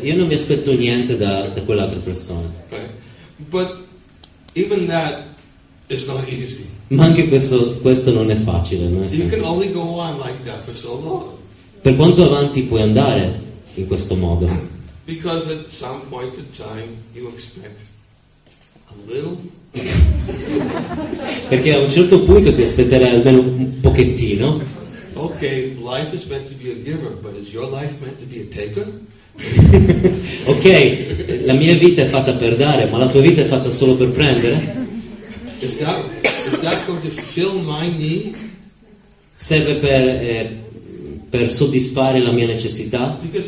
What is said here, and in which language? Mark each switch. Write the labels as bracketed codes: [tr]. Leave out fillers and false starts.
[it] Io non mi aspetto niente da quell'altra persona. [en] But even that is not easy. [it] Ma anche questo non è facile. [en] You can only go on like that for so long. [it] Per quanto avanti puoi andare in questo modo? [en] Because at some point in time you expect a little. [it] Perché a un certo punto ti aspetterai almeno un pochettino. [en] Okay, life is meant to be a giver, but is your life meant to be a taker? [it] Okay, la mia vita è fatta per dare, ma la tua vita è fatta solo per prendere? [en] Is that going to fill my need? [it] Serve per soddisfare la mia necessità?